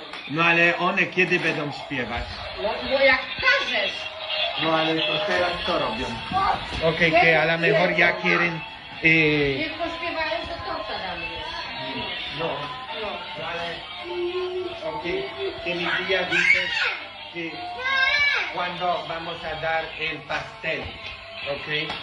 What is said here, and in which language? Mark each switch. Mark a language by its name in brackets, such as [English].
[Polish] No, ale one kiedy będą śpiewać? No, jak każesz. No, ale to teraz co robią? [Spanish] Ok, que a lo mejor ya quieren... [Polish] Niech pośpiewają, to torta damy. No, ale... [Spanish] Ok, que mi tía dice que cuando vamos a dar el pastel, ok?